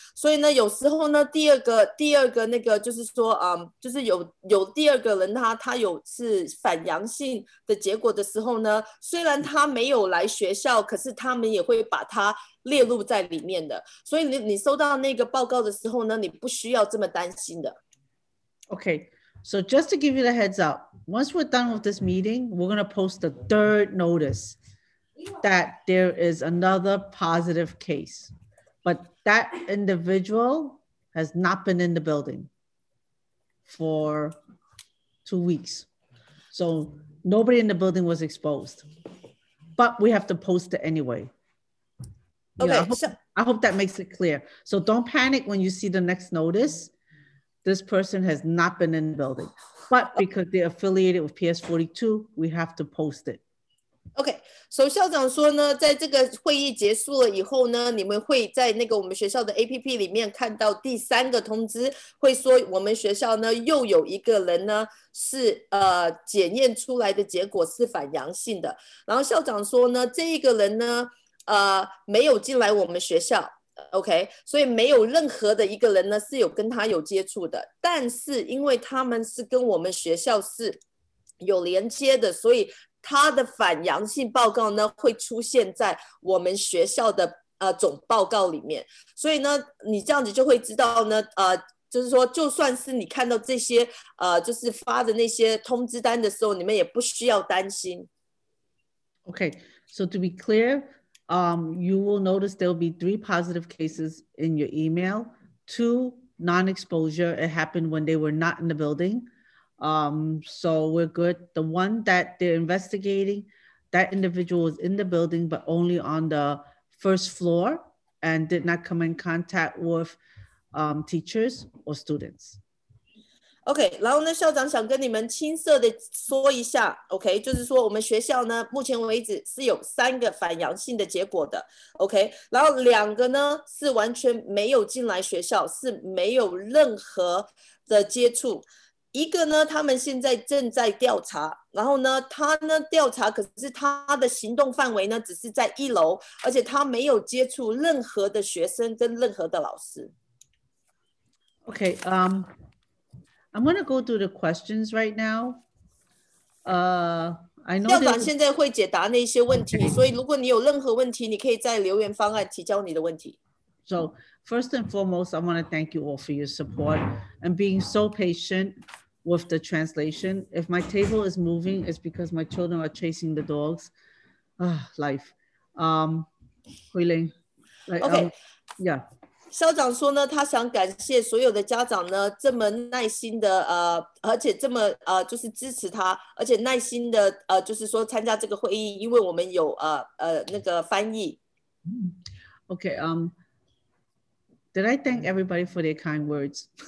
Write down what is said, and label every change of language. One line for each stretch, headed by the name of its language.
Chinese: 所以呢有时候呢第二个那个就是说就是有第二个人他有是反阳性的结果的时候呢，虽然他没有来学校，可是他们也会把他列入在里面的。所以你收到那个报告的时候呢，你不需要这么担心的。
English: Okay, So just to give you the heads up, once we're done with this meeting, we're going to post the third notice that there is another positive case. But that individual has not been in the building for 2 weeks. So nobody in the building was exposed. But we have to post it anyway. Okay. Yeah, I hope that makes it clear. So don't panic when you see the next notice. This person has not been in the building. But because they're affiliated with PS42, we have to post it.
Chinese: OK, 校长说呢，在这个会议结束了以后呢，你们会在那个我们学校的 APP 里面看到第三个通知，会说我们学校呢又有一个人呢是检验出来的结果是反阳性的。然后校长说呢，这一个人呢没有进来我们学校 ，OK， 所以没有任何的一个人呢是有跟他有接触的。但是因为他们是跟我们学校是有连接的，所以他的反阳性报告呢会出现在我们学校的总报告里面。所以呢你这样子就会知道呢就是说就算是你看到这些就是发的那些通知单的时候，你们也不需要担心。
English: Okay, so to be clear, you will notice there will be 3 positive cases in your email, 2 non-exposure, it happened when they were not in the building. So we're good. The one that they're investigating, that individual was in the building, but only on the first floor and did not come in contact with teachers or students.
Chinese: OK, 然后呢校长想跟你们青涩的说一下 ,OK, 就是说我们学校呢目前为止是有三个反阳性的结果的 ,OK, 然后两个呢是完全没有进来学校，是没有任何的接触。一个呢他们现在正在调查，然后呢他呢调查，可是他的行动范围呢只是在一楼，而且他没有接触任何的学生跟任何的老师。
English: Okay, I'm going to go through the questions right now. I know
Chinese: 校长现在会解答那些问题，所以如果你有任何问题，你可以在留言方案提交你的问题。
English: So first and foremost, I want to thank you all for your support and being so patient with the translation. If my table is moving, it's because my children are chasing the dogs. Ugh, life. Huiling. Okay. Yeah.
Chinese: 校长说呢，他想感谢所有的家长呢，这么耐心的而且这么就是支持他，而且耐心的就是说参加这个会议，因为我们有那个翻译。
English: Okay. Did I thank everybody for their kind words?